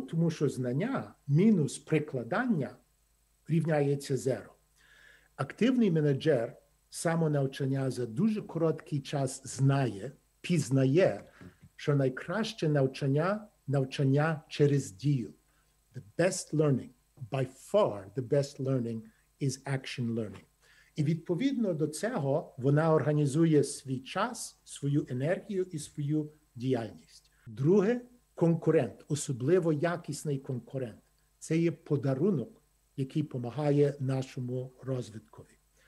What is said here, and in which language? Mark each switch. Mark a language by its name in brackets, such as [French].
[Ukrainian] Тому що знання мінус прикладання рівняється зеро. Активний менеджер самонавчання за дуже короткий час знає, пізнає, що найкраще навчання – навчання через дію. [English] The best learning, by far the best learning, is action learning. [Ukrainian] І відповідно до цього вона організує свій час, свою енергію і свою діяльність. Друге – конкурент, особливо якісний конкурент. Це є подарунок, який допомагає нашому розвиткові.